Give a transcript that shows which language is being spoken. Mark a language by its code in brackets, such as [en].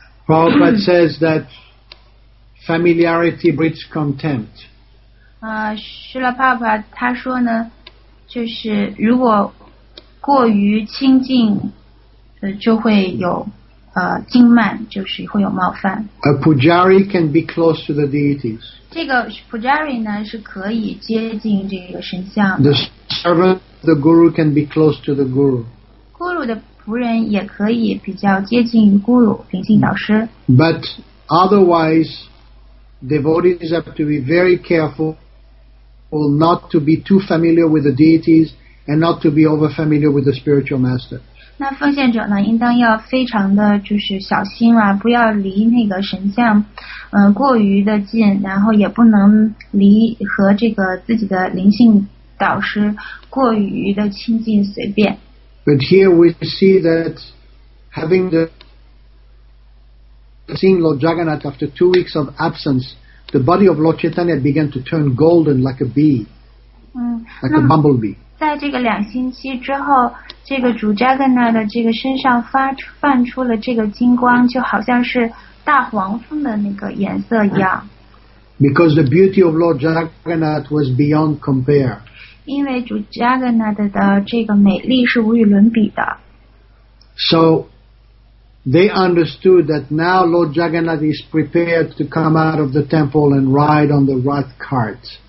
[en] Prabhupada says that familiarity breeds contempt. [zh] 师拉帕帕他说呢，就是如果过于亲近，就会有轻慢，就是会有冒犯。 [en] A pujari can be close to the deities. [zh] 这个 pujari 呢是可以接近这个神像的。 [en] The servant of the guru can be close to the guru. [zh] Guru 的仆人也可以比较接近于 guru， 临近导师。 [en] But otherwise, devotees have to be very careful not to be too familiar with the deities and not to be over familiar with the spiritual master. [zh] 那奉献者呢，应当要非常的就是小心啊，不要离那个神像，过于的近，然后也不能离和这个自己的灵性导师过于的亲近随便。 [en] But here we see that having the seeing Lord Jagannath after 2 weeks of absence, the body of Lord Chaitanya began to turn golden like a bee, like a bumblebee. [zh] 在这个两星期之后，这个主 Jagannath 的这个身上泛出了这个金光，就好像是大黄蜂的那个颜色一样。 [en] Because the beauty of Lord Jagannath was beyond compare. [zh] 因为主 Jagannath 的这个美丽是无与伦比的。 [en] So. They understood that now Lord Jagannath is prepared to come out of the temple and ride on the rat cart.